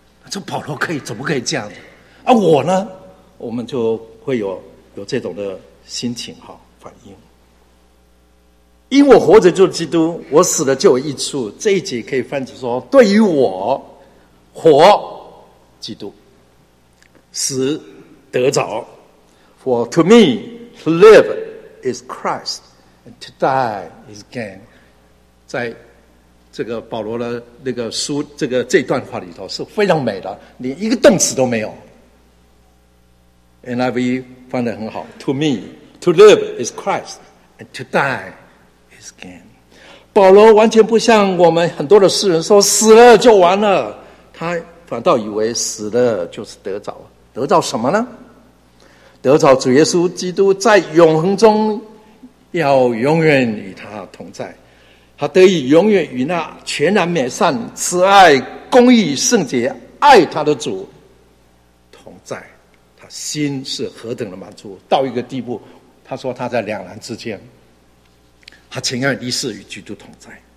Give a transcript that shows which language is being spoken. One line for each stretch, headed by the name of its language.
Chinese: 这保罗可以，怎么可以这样子？啊，我呢？我们就会有这种的心情哈反应。因我活着就是基督，我死了就有益处。这一节可以翻译说：对于我活，基督；死得着。
English: For to me to live is Christ, and to die is gain.
Chinese: 在这个保罗的那个书这个这段话里头是非常美的，连一个动词都没有。 NIV 翻得很好。
English: To me, to live is Christ, and to die is gain.
Chinese: 保罗完全不像我们很多的世人说死了就完了，他反倒以为死了就是得着，得着什么呢？得着主耶稣基督在永恒中要永远与他同在，他得以永远与那全然美善、慈爱、公义、圣洁、爱他的主同在，他心是何等的满足，到一个地步，他说他在两难之间，他情愿立誓与基督同在。